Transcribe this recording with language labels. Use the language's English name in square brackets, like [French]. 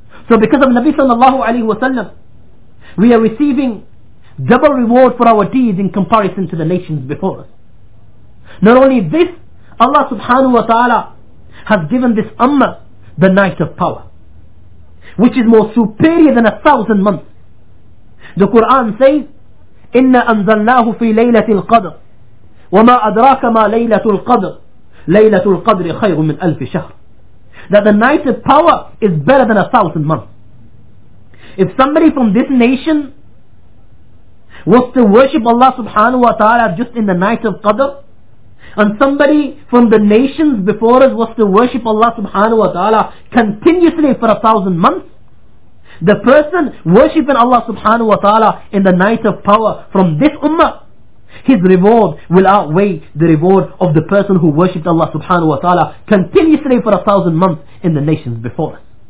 [English] So because of Nabi sallallahu alayhi wa sallam, we are receiving double reward for our deeds in comparison to the nations before us. Not only this, Allah subhanahu wa ta'ala has given this ummah the night of power, which is more superior than 1,000 months. The Quran says, [Arabic] إِنَّ أَنزَلْنَاهُ فِي لَيْلَةِ الْقَدْرِ وَمَا أَدْرَاكَ مَا لَيْلَةُ الْقَدْرِ لَيْلَةُ الْقَدْرِ خَيْرٌ مِنْ أَلْفِ شَهْرٍ. [English] That the night of power is better than 1,000 months. If somebody from this nation was to worship Allah subhanahu wa ta'ala just in the night of Qadr, and somebody from the nations before us was to worship Allah subhanahu wa ta'ala continuously for 1,000 months, the person worshipping Allah subhanahu wa ta'ala in the night of power from this ummah, his reward will outweigh the reward of the person who worshipped Allah subhanahu wa ta'ala continuously for 1,000 months in the nations before us.